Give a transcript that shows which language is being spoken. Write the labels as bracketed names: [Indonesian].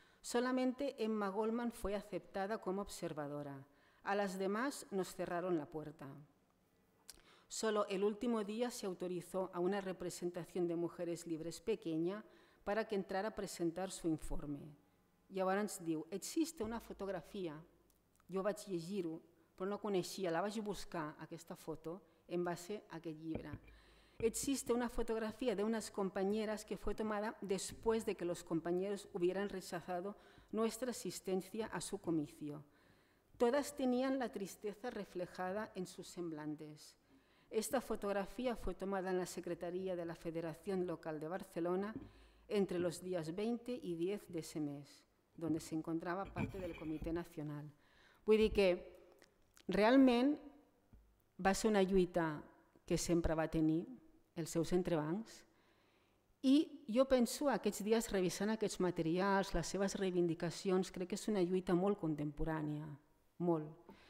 [Spanish] Solamente Emma Goldman fue aceptada como observadora. A las demás nos cerraron la puerta. Solo el último día se autorizó a una representación de mujeres libres pequeña para que entrara a presentar su informe. [Catalan] Llavors ens diu, [Spanish] existe una fotografia, [Catalan] jo vaig llegir-ho, però no coneixia, la vaig buscar, aquesta foto, en base a aquest llibre. [Spanish] Existe una fotografía de unas compañeras que fue tomada después de que los compañeros hubieran rechazado nuestra asistencia a su comicio. Todas tenían la tristeza reflejada en sus semblantes. Esta fotografía fue tomada en la Secretaría de la Federación Local de Barcelona entre los días 20 y 10 de ese mes, donde se encontraba parte del Comité Nacional. [Catalan] Vull dir que realmente va a ser una lluita que sempre va tenir els seus entrebancs. I jo penso aquests dies revisant aquests materials, les seves reivindicacions, crec que és una lluita molt contemporània, molt.